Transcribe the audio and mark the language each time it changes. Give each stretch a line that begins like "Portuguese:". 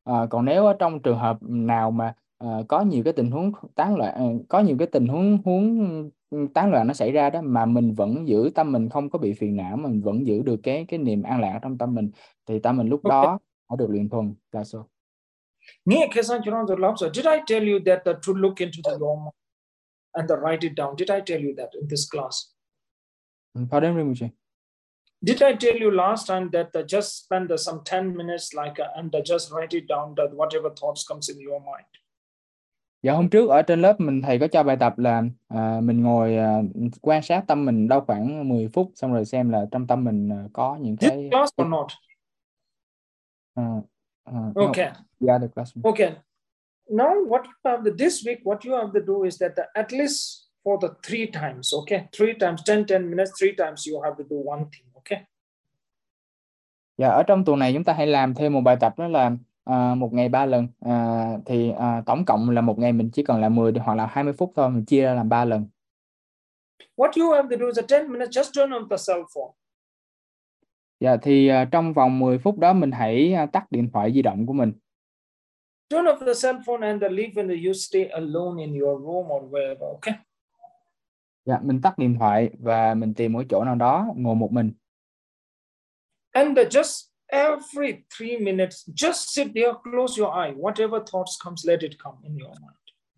Vietnamese: Còn nếu ở trong trường hợp nào mà có nhiều cái tình huống tán loạn, có nhiều cái tình huống huống tán loạn nó xảy ra đó, mà mình vẫn giữ tâm mình không có bị phiền não, mình vẫn giữ được cái niềm an lạc trong tâm mình, thì tâm mình lúc đó có được luyện thuần. Là sao? Nghe cái sao chúng nó làm sao?
English: Did I tell you that to look into the law and to write it down? Did I tell you that in this class? Pardon me, Mujer. Did I tell you last time that to just spend some 10 minutes like and just write it down that whatever thoughts comes in your mind?
Vietnamese: Dạ hôm trước ở trên lớp mình thầy có cho bài tập là mình ngồi quan sát tâm mình đâu khoảng 10 phút, xong rồi xem là trong tâm mình có những
English: This
Vietnamese: cái
English: class or not? no, Okay. the other classroom. Okay. Now, what about this week? What you have to do is that at least for the three times, okay, 3 times, 10 minutes, 3 times, you have to do one thing, okay?
Vietnamese: Dạ ở trong tuần này chúng ta hãy làm thêm một bài tập đó là một ngày 3 lần, thì tổng cộng là một ngày mình chỉ cần làm 10 hoặc là 20 phút thôi, mình chia ra làm 3 lần.
English: What you have to do is that 10 minutes, just turn on the cell phone.
Vietnamese: Dạ thì trong vòng 10 phút đó mình hãy tắt điện thoại di động của mình.
English: Turn off the cell phone and leave when you stay alone in your room or wherever, okay?
Vietnamese: Dạ mình tắt điện thoại và mình tìm một chỗ nào đó ngồi một mình.
English: And just every 3 minutes, just sit there, close your eye. Whatever thoughts comes, let it come in your mind.